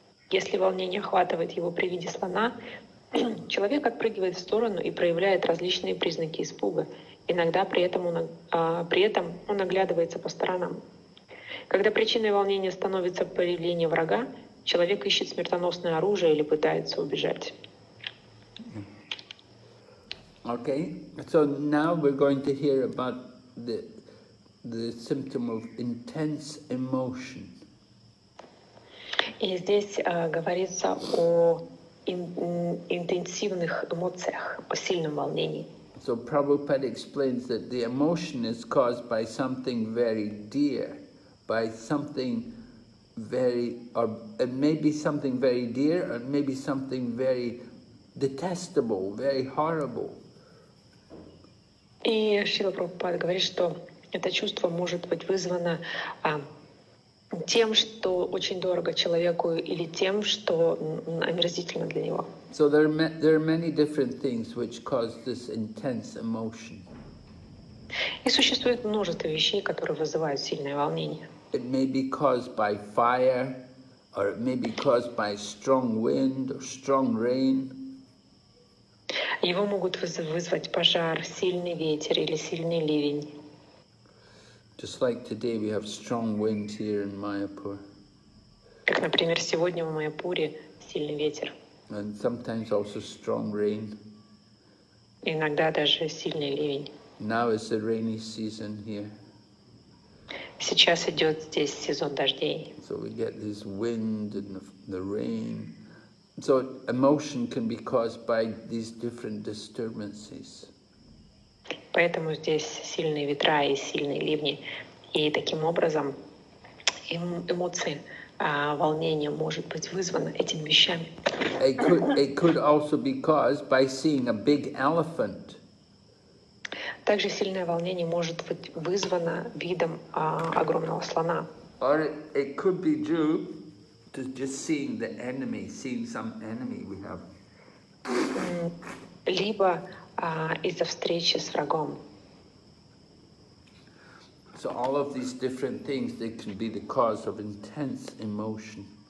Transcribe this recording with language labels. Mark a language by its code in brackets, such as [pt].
[ru] Если волнение охватывает его при виде слона, человек отпрыгивает в сторону и проявляет различные признаки испуга. Иногда при этом он оглядывается по сторонам. Когда причиной волнения становится появление врага, человек ищет смертоносное оружие или пытается убежать. [en] Okay. So now we're going to hear about the symptom of intense emotion. [ru] И здесь говорится о интенсивных эмоциях, о сильном волнении. [en] So Prabhupada explains that the emotion is caused by something very dear, by something very, or it may be something very dear, or maybe something very detestable, very horrible. [ru] И Шрила Прабхупада говорит, что это чувство может быть вызвано тем, что очень дорого человеку, или тем, что омерзительно для него. [en] So there are many different things which cause this intense emotion. [ru] И существует множество вещей, которые вызывают сильное волнение. [en] It may be caused by fire, or it may be caused by strong wind or strong rain. [ru] Его могут вызвать пожар, сильный ветер или сильный ливень. [en] Just like today we have strong wind here in Mayapur. [ru] Как, например, сегодня в Майяпуре сильный ветер. [en] And sometimes also strong rain. [ru] Иногда даже сильный ливень. [en] Now is the rainy season here. [ru] Сейчас идет здесь сезон дождей. [en] So we get this wind and the rain. So emotion can be caused by these different disturbances. [ru] Поэтому здесь сильные ветра и сильные ливни, и таким образом эмоции, волнение может быть вызвано этими вещами. [en] It could also be caused by seeing a big elephant. [ru] Также сильное волнение может быть вызвано видом огромного слона. [en] Or it could be due to just seeing the enemy, seeing some enemy we have. [ru] Либо из-за встречи с врагом. [en] So all of these different things, they can be the cause of intense emotion.